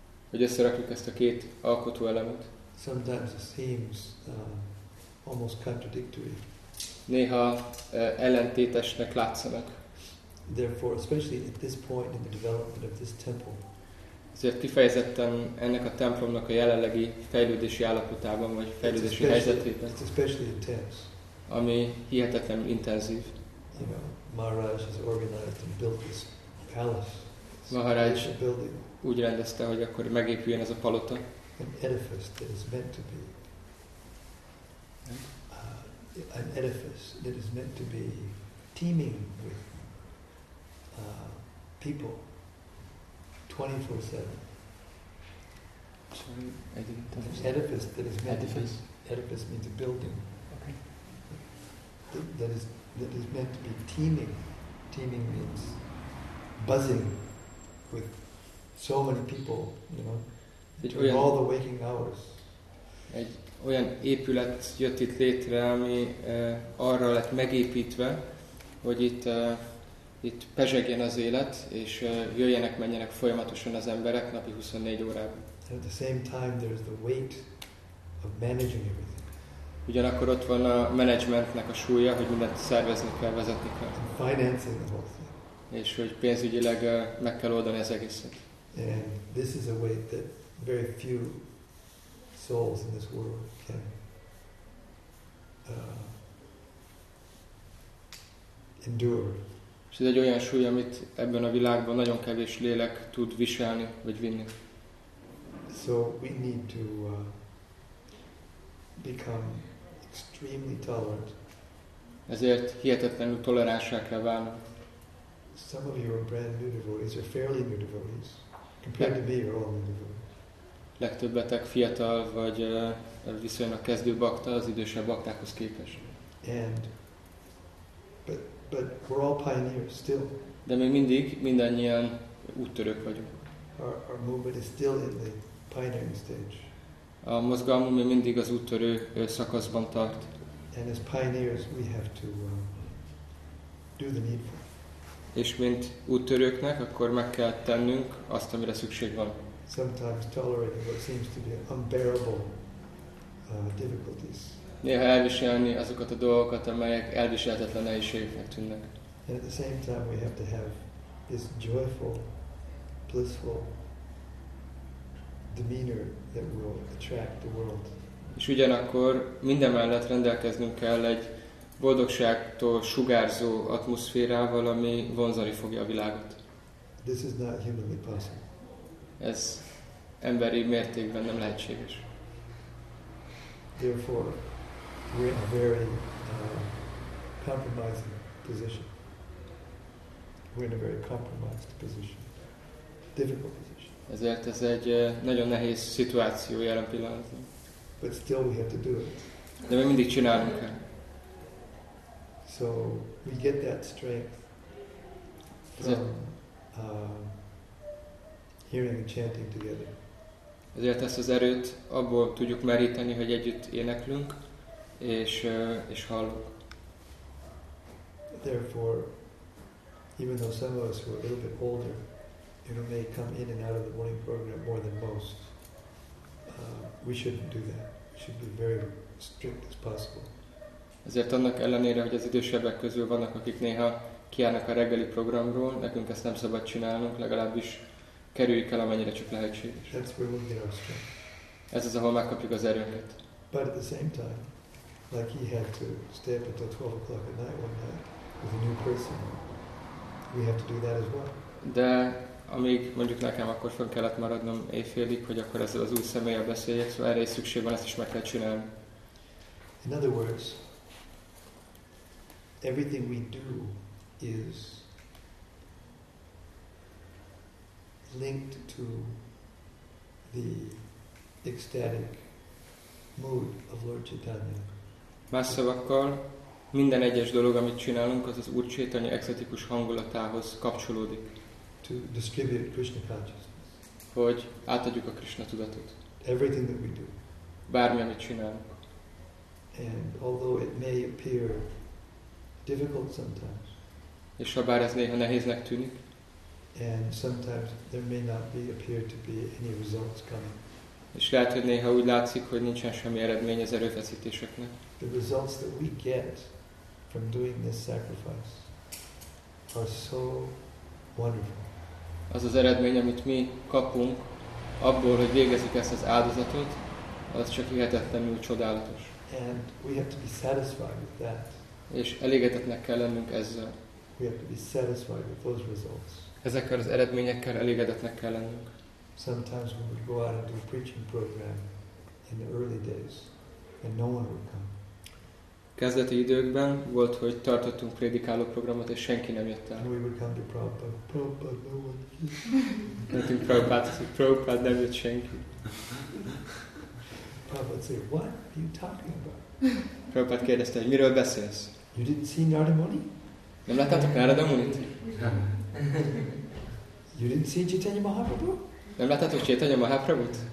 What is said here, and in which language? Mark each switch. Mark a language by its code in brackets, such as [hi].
[hu] Hogy összerakjuk ezt a két alkotó elemet. [en] Sometimes it seems almost contradictory. [hu] néha ellentétesnek látszanak. [en] Therefore, especially at this point in the development of this temple. [hu] Ezért kifejezetten ennek a templomnak a jelenlegi fejlődési állapotában vagy fejlődési helyzetében. [en] It's especially intense. [hu] Ami hihetetlen intenzív. [en] You know, Maharaj has organized and built this palace. [hu] Maharaj úgy rendezte, hogy akkor megépüljön ez a palota. [en] An edifice that is meant to be. An edifice that is meant to be teeming with people 24/7. An edifice that is meant edifice. To be, edifice means a building. Okay. That is meant to be teeming. Teeming means buzzing with so many people, you know, during all the waking hours. [hu] Olyan épület jött itt létre, ami arra lett megépítve, hogy itt pezsegjen az élet, és jöjjenek, menjenek folyamatosan az emberek napi 24 órában. [en] At the same time there is the weight of managing everything. [hu] Ugyanakkor ott van a managementnek a súlya, hogy mindent szervezni kell, vezetni kell. [en] And financing the whole thing. [hu] És hogy pénzügyileg meg kell oldani az egészet. [en] And this is a weight that very few souls in this world can endure. [hu] És ez egy olyan súly, amit ebben a világban nagyon kevés lélek tud viselni vagy vinni. [en] So we need to become extremely tolerant. [hu] Ezért hihetetlenül toleránssá kell válni. [en] Some of you are brand new devotees, or fairly new devotees, compared to me, you're all new devotees. [hu] Legtöbbetek fiatal vagy viszonylag kezdő bakta az idősebb baktákhoz képest. [en] But we're all pioneers still. [hu] De még mindig mindannyian úttörők vagyunk. [en] Our movement is still in the pioneering stage. [hu] A mozgalmunk még mindig az úttörő szakaszban tart. [en] And as pioneers, we have to do the needful. [hu] És mint úttörőknek, akkor meg kell tennünk azt, amire szükség van. [en] Sometimes tolerating what seems to be unbearable difficulties. [hu] Néha elviselni azokat a dolgokat, amelyek elviselhetetlen nehézségeknek tűnnek. [en] And at the same time we have to have this joyful, blissful demeanor that will attract the world. [hu] És ugyanakkor mindemellett rendelkeznünk kell egy boldogságtól sugárzó atmoszférával, ami vonzani fogja a világot. [en] This is not humanly possible. [hu] Ez emberi mértékben nem lehetséges. [en] Therefore, we're in a very compromising position. We're in a very compromised position. Difficult position. [hu] Ezért ez egy nagyon nehéz szituáció jelen pillanatban. [en] But still we have to do it. [hu] De még mindig csinálunk kell. [en] So we get that strength from hearing and chanting together. [hu] Ezért ezt az erőt abból tudjuk meríteni, hogy együtt éneklünk és hallunk. [en] Therefore, even though some of us who are a little bit older, you know, may come in and out of the morning program more than most, we shouldn't do that. We should be very strict as possible. [hu] Ezért annak ellenére, hogy az idősebbek közül vannak, akik néha kiállnak a reggeli programról, nekünk ezt nem szabad csinálnunk, legalábbis kerüljük el, amennyire csak lehetséges. [en] That's where we'll get our strength. [hu] Ez az, ahol megkapjuk az erőnket. [en] But at the same time, like he had to stay up until 12 o'clock at night one night with a new person, we have to do that as well. [hu] De amíg mondjuk nekem akkor fel kellett maradnom éjfélig, hogy akkor ezzel az új személlyel beszéljek, szóval erre is szükség van, ezt is meg kell csinálni. [en] In other words, everything we do is linked to the ecstatic mood of Lord Chaitanya. [hu] Más szavakkal, minden egyes dolog, amit csinálunk, az Úr Chaitanya ecstatikus hangulatához kapcsolódik. [en] To distribute Krishna consciousness. [hu] Hogy átadjuk a Krishna tudatot. [en] Everything that we do. [hu] Bármi, amit csinálunk. [en] And although it may appear difficult sometimes. [hu] És ha bár ez néha nehéznek tűnik. [en] And sometimes there may not be appear to be any results coming. [hu] És lehet, hogy néha úgy látszik, hogy nincsen semmi eredmény az erőfeszítéseknek. [en] The results that we get from doing this sacrifice are so wonderful. [hu] Az az eredmény, amit mi kapunk abból, hogy végezzük ezt az áldozatot, az csak hihetetlenül csodálatos. [en] And we have to be satisfied with that. [hu] És elégedetnek kell lennünk ezzel. [en] We have to be satisfied with those results. [hu] Ezekkel az eredményekkel elégedetnek kell lennünk. [en] Sometimes we would go out and do a preaching program in the early days, and no one would come. [hu] Kezdeti időkben volt, hogy tartottunk prédikáló programot, és senki nem jött el. [en] We would come to Prabhupada, Prabhupada, no one came. Nothing [hu] Prabhupada, Prabhupada, nem jött senki. [en] Prabhupada would say, what are you talking about? [hu] Prabhupada kérdezte, hogy miről beszélsz? [en] You didn't see Narada Muni? [hu] Nem láttátok Narada Munit? [en] You didn't see Chaitanya Mahaprabhu? [hu] Nem láttátok Chaitanya Mahaprabhut?